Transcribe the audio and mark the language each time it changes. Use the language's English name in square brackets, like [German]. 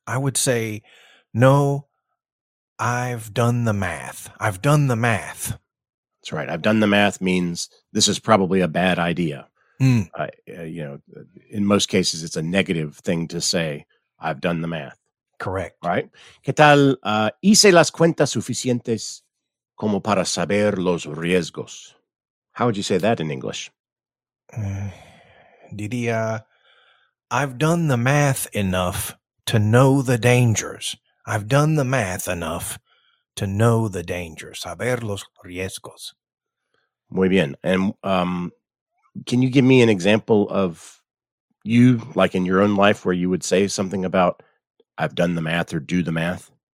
[English] I would say, no, I've done the math. I've done the math. That's right. I've done the math means this is probably a bad idea. Mm. You know, in most cases, it's a negative thing to say. I've done the math. Correct. Right. [Spanish] ¿Qué tal? Hice las cuentas suficientes como para saber los riesgos. [English] How would you say that in English? [Spanish] Diría, [English] I've done the math enough to know the dangers. I've done the math enough to know the dangers. [Spanish] Saber los riesgos. Muy bien. [English] And can you give me an example of you, like in your own life, where you would say something about I've done the math or do the math?